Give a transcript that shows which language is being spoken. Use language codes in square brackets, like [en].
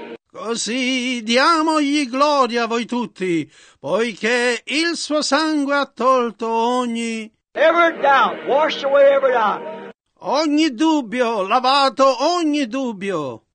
[it] Così diamogli gloria voi tutti, poiché il suo sangue ha tolto ogni [en] every doubt, washed away every doubt. [it] Ogni dubbio, lavato ogni dubbio.